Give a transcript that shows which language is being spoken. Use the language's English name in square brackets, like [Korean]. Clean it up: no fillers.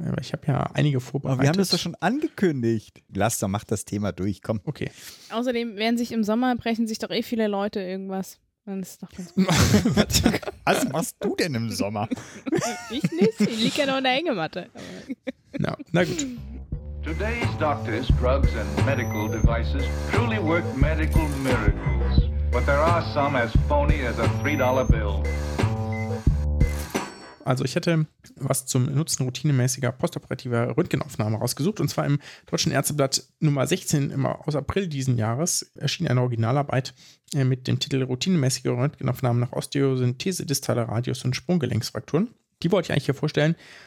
[German] Ich habe ja einige vorbereitet. Wir haben das doch schon angekündigt. Lass doch, mach das Thema durch, komm. Okay. Außerdem werden sich im Sommer, brechen sich doch eh viele Leute irgendwas. Dann ist doch ganz gut. Was machst du denn im Sommer? Ich nicht, ich liege ja noch in der Hängematte. Na, na gut. [English] Today's doctors, drugs and medical devices truly work medical miracles. But there are some as phony as a $3 bill. [German] Also ich hätte was zum Nutzen routinemäßiger postoperativer Röntgenaufnahme rausgesucht. Und zwar im Deutschen Ärzteblatt Nummer 16 immer aus April diesen Jahres erschien eine Originalarbeit mit dem Titel Routinemäßige Röntgenaufnahmen nach Osteosynthese distaler Radius und Sprunggelenksfrakturen. Die wollte ich eigentlich hier vorstellen.